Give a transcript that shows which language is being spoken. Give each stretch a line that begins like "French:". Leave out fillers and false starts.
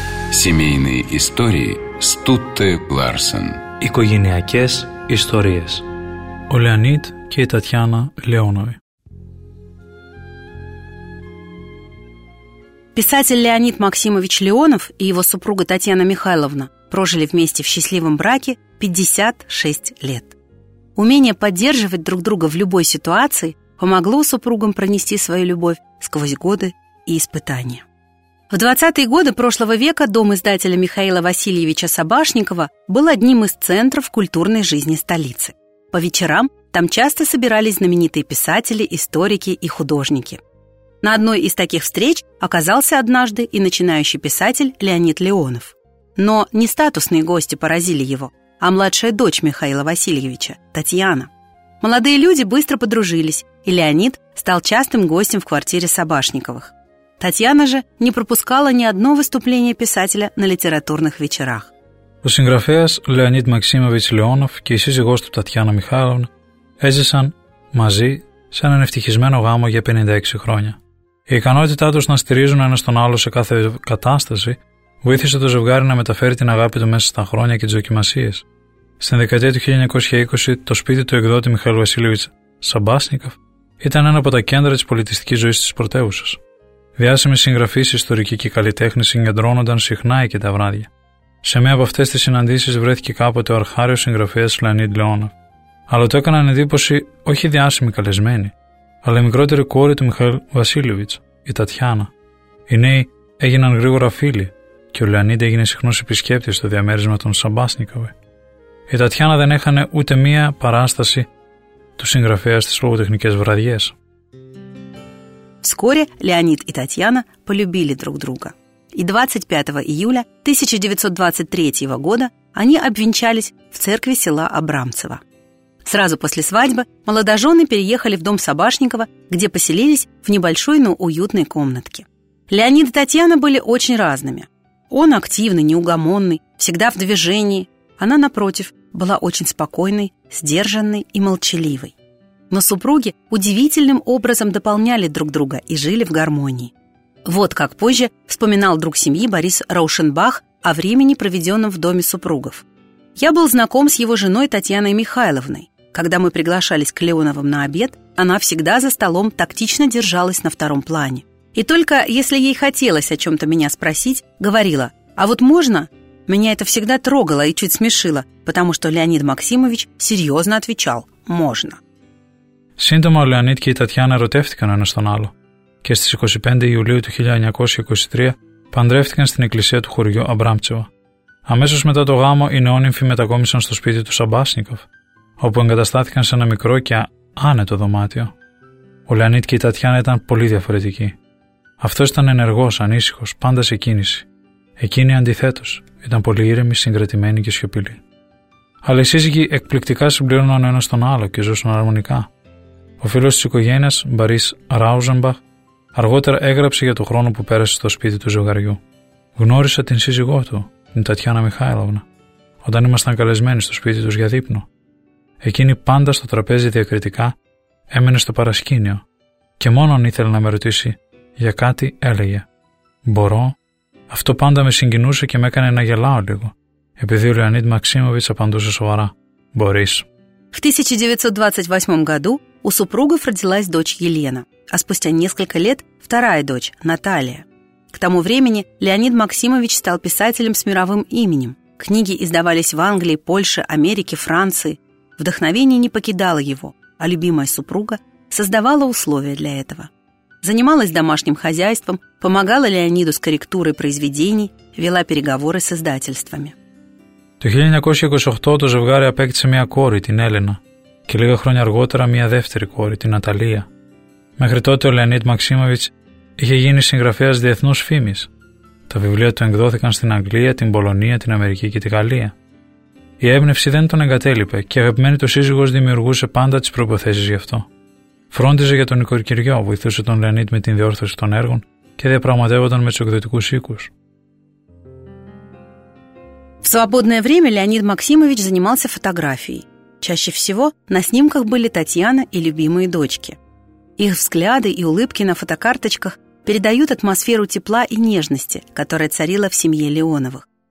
Russian: Семейные истории Стутте Ларсен.
Greek: Οικογενειακές ιστορίες. Ο Λεωνίτ και η Τατιάνα Λεόνοβη.
Russian: Писатель Леонид Максимович Леонов и его супруга Татьяна Михайловна прожили вместе в счастливом браке 56 лет. Умение поддерживать друг друга в любой ситуации помогло супругам пронести свою любовь сквозь годы и испытания. В 20-е годы прошлого века дом издателя Михаила Васильевича Собашникова был одним из центров культурной жизни столицы. По вечерам там часто собирались знаменитые писатели, историки и художники. На одной из таких встреч оказался однажды и начинающий писатель Леонид Леонов. Но не статусные гости поразили его, а младшая дочь Михаила Васильевича, Татьяна. Молодые люди быстро подружились, и Леонид стал частым гостем в квартире Собашниковых. Татьяна же не пропускала ни одно выступление писателя на литературных вечерах.
Greek: Ο συγγραφέας Леонид Максимович Леонов και η σύζυγός του Татьяна Михайловна έζησαν μαζί σε έναν ευτυχισμένο γάμο για 56 χρόνια. Η ικανότητά τους να στηρίζουν ένας τον άλλο σε κάθε κατάσταση βοήθησε το ζευγάρι να μεταφέρει την αγάπη του μέσα στα χρόνια και τις δοκιμασίες. Στην δεκαετία του 1920, το σπίτι του εκδότη Μιχαήλ Βασίλειβιτς Σαμπάσνικοφ ήταν ένα από τα κέντρα της πολιτιστικής ζωής της πρωτεύουσας. Διάσημοι συγγραφείς, ιστορικοί και καλλιτέχνες συγκεντρώνονταν συχνά εκεί τα βράδια. Σε μία από αυτές τις συναντήσεις βρέθηκε κάποτε ο αρχάριος συγγραφέας Λεωνίδ Λεόνοφ. Αλλά το έκαναν εντύπωση όχι διάσημοι καλεσμένοι, αλλά η μικρότερη κόρη του Μιχαήλ Βασίλειβιτς, η Τατιάνα. Οι νέοι έγιναν γρήγορα φίλοι και ο Λεωνίδ έγινε συχνός επισκέπτης στο διαμέρισμα των Σαμπάσνικοβε. Η Τατιάνα δεν έχανε ούτε μία παράσταση του συγγραφέα στις λογοτεχνικές βραδιές.
Russian: Вскоре Леонид и Татьяна полюбили друг друга. И 25 июля 1923 года они обвенчались в церкви села Абрамцево. Сразу после свадьбы молодожены переехали в дом Собашникова, где поселились в небольшой, но уютной комнатке. Леонид и Татьяна были очень разными. Он активный, неугомонный, всегда в движении. Она, напротив, была очень спокойной, сдержанной и молчаливой. но супруги удивительным образом дополняли друг друга и жили в гармонии. Вот как позже вспоминал друг семьи Борис Раушенбах о времени, проведенном в доме супругов. «Я был знаком с его женой Татьяной Михайловной. Когда мы приглашались к Леоновым на обед, она всегда за столом тактично держалась на втором плане. И только если ей хотелось о чем-то меня спросить, говорила: «А вот можно?» Меня это всегда трогало и чуть смешило, потому что Леонид Максимович серьезно отвечал: «Можно».
Greek: Сύντομα ο Леонид και η Татьяна ερωτεύτηκαν ένα στον άλλο και στις 25 Ιουλίου του 1923 παντρεύτηκαν στην εκκλησία του χωριού Αμπράμτσεβα. Αμέσως μετά το γάμο οι νεόνυμφοι μετακόμισαν στο σπίτι του Σαμπάσνικοφ, όπου εγκαταστάθηκαν σε ένα μικρό και άνετο δωμάτιο. Ο Λεωνίτ και η Τατιάνα ήταν πολύ διαφορετικοί. Αυτός ήταν ενεργός, ανήσυχος, πάντα σε κίνηση. Εκείνη αντιθέτως ήταν πολύ ήρεμη, συγκρατημένη και σιωπηλή. Αλλά οι σύζυγοι εκπληκτικά συμπλήρωναν ο ένας τον άλλο και ζούσαν αρμονικά. Ο φίλος της οικογένειας, Μπαρίς Ράουζενμπαχ, αργότερα έγραψε για τον χρόνο που πέρασε στο σπίτι του ζευγαριού: «Γνώρισα την σύζυγό του, την Τατιάνα Μιχάηλοβνα, όταν ήμασταν καλεσμένοι στο σπίτι τους για δείπνο. Εκείνη πάντα στο τραπέζι διακριτικά έμενε στο παρασκήνιο και μόνο αν ήθελε να με ρωτήσει για κάτι έλεγε: «Μπορώ?» Αυτό πάντα με συγκινούσε και με έκανε να γελάω λίγο, επειδή ο Λεωνίδ Μαξίμοβιτς απαντούσε σοβαρά: «Μπορείς».
Russian: В 1928 году у супругов родилась дочь Елена, а спустя несколько лет вторая дочь Наталья. К тому времени Леонид Максимович стал писателем с мировым именем. Книги издавались в Англии, Польше, Америке, Франции. Вдохновение не покидало его, а любимая супруга создавала условия для этого. Занималась домашним хозяйством, помогала Леониду с корректурой произведений, вела переговоры с издательствами.
Greek: Το 1928 το ζευγάρι απέκτησε μια κόρη, την Έλενα, και λίγα χρόνια αργότερα μια δεύτερη κόρη, την Ναταλία. Μέχρι τότε ο Λεωνίδ Μαξίμοβιτς είχε γίνει συγγραφέας διεθνούς φήμης. Τα βιβλία του εκδόθηκαν στην Αγγλία, την Πολωνία, την Αμερική και τη Γαλλία. Η έμπνευση δεν τον εγκατέλειπε και η αγαπημένη του σύζυγος δημιουργούσε πάντα τις προϋποθέσεις γι' αυτό. Φρόντιζε για τον οικοκυριό, βοηθούσε τον Λεωνίδ με την διόρθωση των έργων και διαπραγματεύονταν με τους εκδοτικούς οίκους.
Russian: В свободное время Леонид Максимович занимался фотографией. Чаще всего на снимках были Татьяна и любимые дочки. Их взгляды и улыбки на фотокарточках передают атмосферу тепла и нежности, которая царила в семье Леоновых.